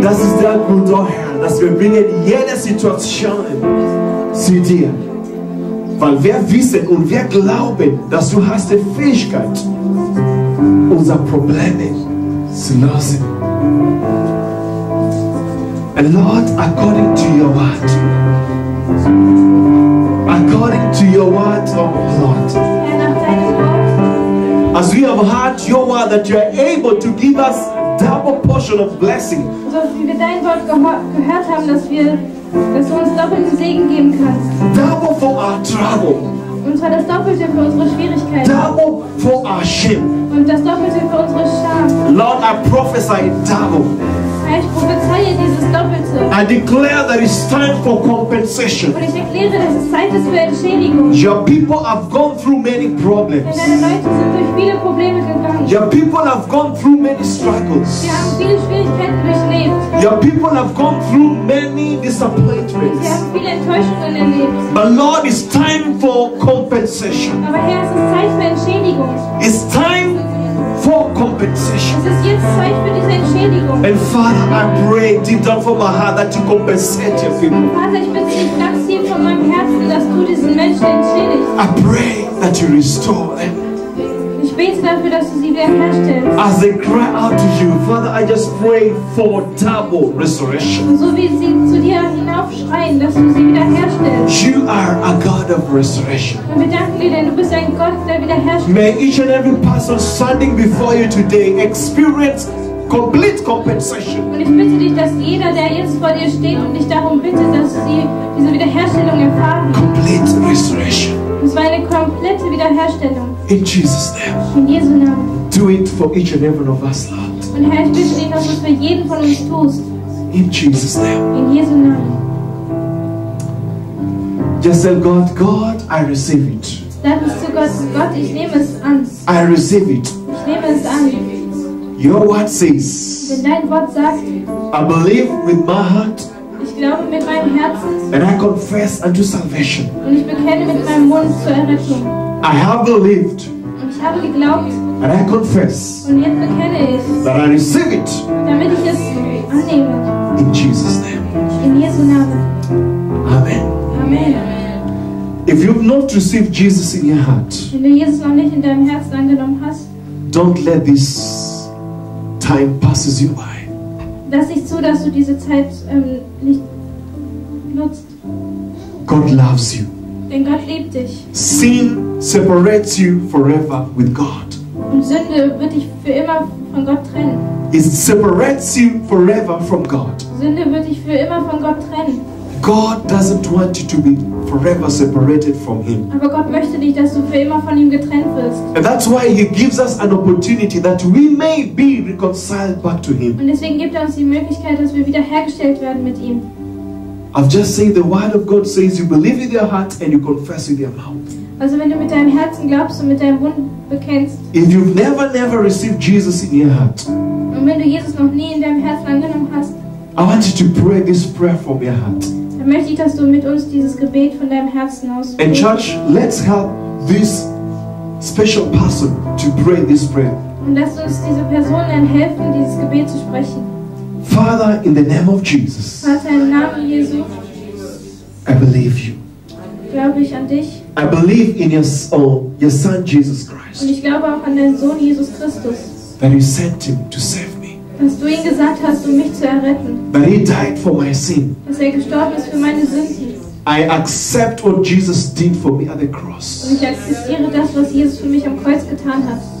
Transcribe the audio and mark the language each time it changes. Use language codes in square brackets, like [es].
[de] Das ist der Grund, oh Herr, dass wir bringen jede Situation zu dir. Weil wir wissen und wir glauben, dass du hast die Fähigkeit, unsere Probleme zu lösen. [en] And Lord, according to your word, according to your word, oh Lord, as we have heard your word that you are able to give us double portion of blessing. [de] So wie wir dein Wort gehört haben, dass du uns doppelten Segen geben kannst. [en] Double for our trouble. [de] Und zwar das Doppelte für unsere Schwierigkeiten. [en] Double for our shame. [de] Und das Doppelte für unsere Scham. [en] Lord, I prophesy double. [de] Ich prophezeie dieses Doppelte. [en] I declare that it's time for compensation. [de] Und ich erkläre, dass es Zeit ist für Entschädigung. [en] Your people have gone through many problems. [de] Denn deine Leute sind durch viele Probleme gegangen. [en] Your people have gone through many struggles. [de] Sie haben viele Schwierigkeiten durchlebt. [en] Your people have gone through many disappointments. [de] Sie haben viele Enttäuschungen erlebt. [en] But Lord, it's time for compensation. [de] Aber Herr, es ist Zeit für Entschädigung. [en] It's time for compensation. [de] Es ist jetzt Zeit für diese Entschädigung. [en] And Father, I pray deep down from my heart that you compensate your people. [de] Vater, ich bitte dich ganz tief von meinem Herzen, dass du diesen Menschen entschädigst. [en] I pray that you restore them. [de] Ich bete dafür, dass du sie wiederherstellst. [en] As they cry out to you, Father, I just pray for double restoration. [de] Und so wie sie zu dir hinaufschreien, dass du sie wiederherstellst. [en] You are a God of restoration. [de] Und wir danken dir, denn du bist ein Gott, der wiederherstellt. [en] May each and every person standing before you today experience complete compensation. [de] Und ich bitte dich, dass jeder, der jetzt vor dir steht und dich darum bittet, dass sie diese Wiederherstellung erfahren. [en] Complete restoration. [de] Es war eine komplette Wiederherstellung. [en] In Jesus' name. [de] In Jesu Namen. [en] Do it for each and every one of us, Lord. [de] Und Herr, ich bitte dich, dass du es für jeden von uns tust. [en] In Jesus' name. [de] In Jesu Namen. [en] Just tell God, God, I receive it. [de] Sag es zu Gott, Gott, ich nehme es an. [en] I receive it. [de] Ich nehme es an. [en] Your word says. [de] Denn dein Wort sagt. [en] I believe with my heart. [de] Ich glaube mit meinem Herzen. [en] And I confess unto salvation. [de] Und ich bekenne mit meinem Mund zur Errettung. [en] I have believed. [de] Und ich habe geglaubt. [en] And I confess. [de] Und jetzt bekenne ich. [en] That I receive it. [de] Damit ich es annehme. [en] In Jesus' name. [de] In Jesu Namen. [en] Amen. [de] Amen. [en] If you've not received Jesus in your heart. [de] Wenn du Jesus noch nicht in deinem Herzen angenommen hast. [en] Don't let this time passes you by. [de] Lass nicht zu, dass du diese Zeit nicht nutzt. [en] God loves you. [de] Denn Gott liebt dich. [en] Sin separates you forever with God. [de] Und Sünde wird dich für immer von Gott trennen. [en] It separates you forever from God. [de] Sünde wird dich für immer von Gott trennen. [en] God doesn't want you to be forever separated from him. [de] Aber Gott möchte nicht, dass du für immer von ihm getrennt wirst. [en] And that's why he gives us an opportunity that we may be reconciled back to him. [de] Und deswegen gibt er uns die Möglichkeit, dass wir wiederhergestellt werden mit ihm. [en] I've just said the word of God says you believe with your heart and you confess with your mouth. [de] Also wenn du mit deinem Herzen glaubst und mit deinem Mund bekennst. [en] If you've never received Jesus in your heart. [de] Und wenn du Jesus noch nie in deinem Herzen angenommen hast. [en] I want you to pray this prayer from your heart. [de] Dann möchte ich, dass du mit uns dieses Gebet von deinem Herzen aus. [en] And church, let's help this special person to pray this prayer. [de] Und lass uns diese Person dann helfen, dieses Gebet zu sprechen. [en] Father, in the name of Jesus. [de] Vater, im Namen Jesu. [en] I believe you. [de] Glaube ich an dich. [en] I believe in your son Jesus Christ. [de] Und ich glaube auch an deinen Sohn Jesus Christus. [en] That you sent him to save. [de] Dass du ihn gesagt hast, um mich zu erretten. [en] But he died for my sin. [de] Dass er gestorben ist für meine Sünden. [en] I accept what Jesus did for me at the cross. [de] Und ich akzeptiere das, was Jesus für mich am Kreuz getan hat.